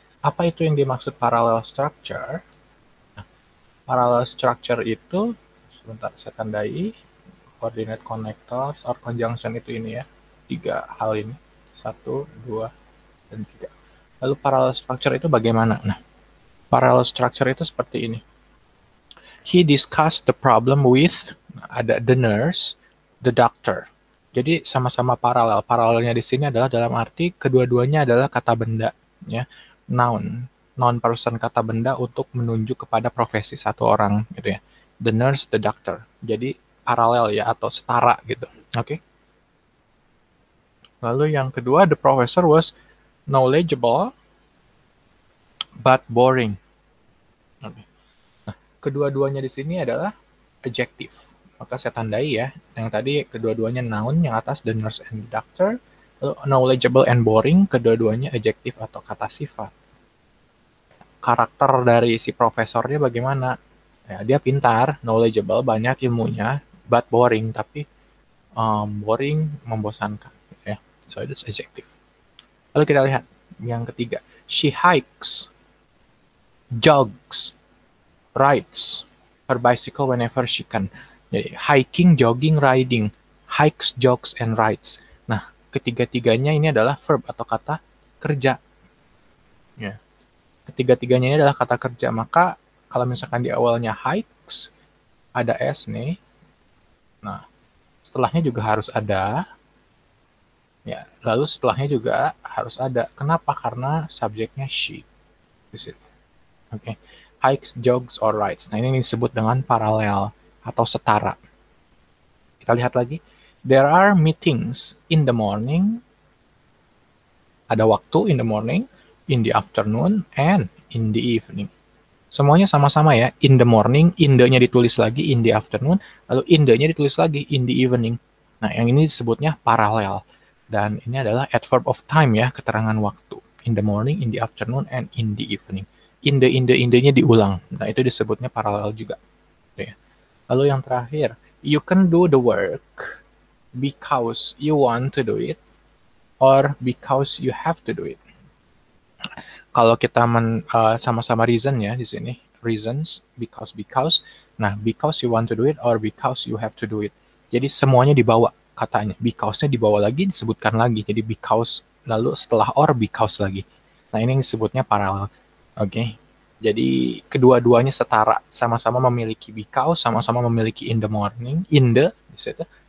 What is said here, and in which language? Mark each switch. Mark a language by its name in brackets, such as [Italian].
[Indonesian] Apa itu yang dimaksud parallel structure? Nah, parallel structure itu, sebentar saya tandai, [English] coordinate connectors or conjunction [Indonesian] itu ini ya, tiga hal ini, satu, dua, dan tiga. Lalu parallel structure itu bagaimana? Nah, parallel structure itu seperti ini. [English] He discussed the problem with, ada the nurse, the doctor. [Indonesian] Jadi sama-sama paralel. Paralelnya di sini adalah dalam arti kedua-duanya adalah kata benda, ya, noun, non-person kata benda untuk menunjuk kepada profesi satu orang, gitu ya. [English] The nurse, the doctor. [Indonesian] Jadi paralel ya atau setara gitu. [English] Oke. Okay. [Indonesian] Lalu yang kedua, [English] the professor was knowledgeable but boring. Okay. [Indonesian] Nah, kedua-duanya di sini adalah adjective. Maka saya tandai ya, yang tadi kedua-duanya noun, yang atas [English] the nurse and the doctor, [Indonesian] lalu knowledgeable and boring, kedua-duanya adjective atau kata sifat. Karakter dari si profesornya bagaimana? Ya, dia pintar, knowledgeable, banyak ilmunya, but boring, tapi boring, membosankan. [English] Ya, so it's adjective. [Indonesian] Lalu kita lihat yang ketiga, [English] she hikes, jogs, rides her bicycle whenever she can. [Indonesian] Jadi, hiking, jogging, riding, hikes, jogs, and rides. Nah, ketiga-tiganya ini adalah verb atau kata kerja. Yeah. Ketiga-tiganya ini adalah kata kerja. Maka, kalau misalkan di awalnya hikes, ada S nih. Nah, setelahnya juga harus ada. Ya, lalu setelahnya juga harus ada. Kenapa? Karena subjeknya she. [English] Is it? Okay. Hikes, jogs, or rides. [Indonesian] Nah, ini disebut dengan paralel atau setara. Kita lihat lagi. [English] There are meetings in the morning. [Indonesian] Ada waktu [English] in the morning, in the afternoon, and in the evening. [Indonesian] Semuanya sama-sama ya. [English] In the morning, [Indonesian] in the-nya ditulis lagi, [English] in the afternoon. [Indonesian] Lalu in the-nya ditulis lagi, [English] in the evening. [Indonesian] Nah, yang ini disebutnya paralel. Dan ini adalah adverb of time ya, keterangan waktu. [English] In the morning, in the afternoon, and in the evening. [Indonesian] In the, in the, in the-nya diulang. Nah, itu disebutnya paralel juga. [English] Lalu yang terakhir, you can do the work because you want to do it or because you have to do it. [Indonesian] Kalau kita sama-sama reason ya di sini, reasons, because, nah [English] because you want to do it [Indonesian] or because you have to do it. Jadi semuanya dibawa katanya, because-nya dibawa lagi, disebutkan lagi. Jadi because, lalu setelah or, because lagi. Nah ini yang disebutnya paralel, oke. Okay. Jadi kedua-duanya setara, sama-sama memiliki because, sama-sama memiliki [English] in the morning, [Indonesian] in the, disitu.